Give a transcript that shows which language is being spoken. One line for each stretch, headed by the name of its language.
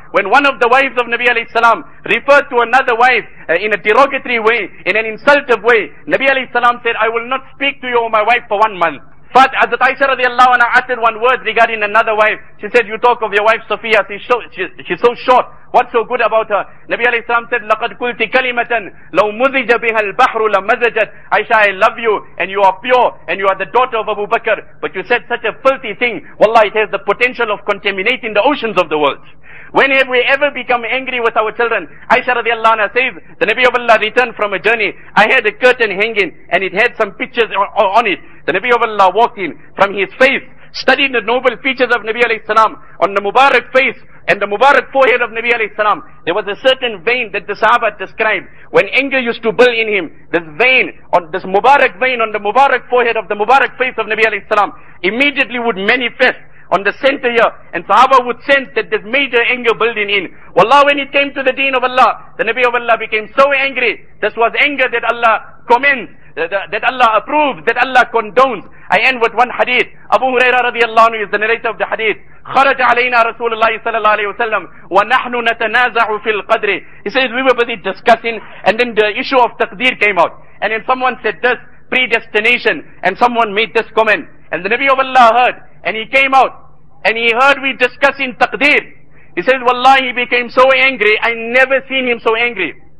English: When one of the wives of Nabi alayhi salam referred to another wife in a derogatory way, in an insultive way, Nabi alayhi salam said, I will not speak to you or my wife for 1 month. But Hazrat Aisha radiallahu anha uttered one word regarding another wife. She said, you talk of your wife Sophia, she's so short. What's so good about her?
Arabic: Nabi alayhi salam said, لَقَدْ كُلْتِ كَلِمَةً لَوْ مُزِجَ بِهَا الْبَحْرُ لَمَزَجَتْ.
English: Aisha, I love you and you are pure and you are the daughter of Abu Bakr. But you said such a filthy thing. Wallah, it has the potential of contaminating the oceans of the world. When have we ever become angry with our children? Aisha radiallahu anha says, the Nabi of Allah returned from a journey. I had a curtain hanging and it had some pictures on it. The Nabi of Allah walked in from his face, studied the noble features of Nabi alayhi salam on the Mubarak face and the Mubarak forehead of Nabi alayhi salam. There was a certain vein that the Sahaba described. When anger used to build in him, this vein, on this Mubarak vein on the Mubarak forehead of the Mubarak face of Nabi alayhi salam immediately would manifest on the center here, and Sahaba would sense that there's major anger building in. Wallah, when it came to the deen of Allah, the Nabi of Allah became so angry. This was anger that Allah commends, that Allah approves, that Allah condones. I end with one hadith. Abu Huraira radiallahu anhu is the narrator of the hadith.
Arabic: خرج علينا رسول الله صلى الله عليه وسلم ونحن نتنازع في القدر.
English: He says, we were busy discussing, and then the issue of taqdeer came out. And then someone said this, predestination, and someone made this comment. And the Nabi of Allah heard, and he came out, and he heard we discussing taqdeer. He said, wallahi, he became so angry, I never seen him so angry.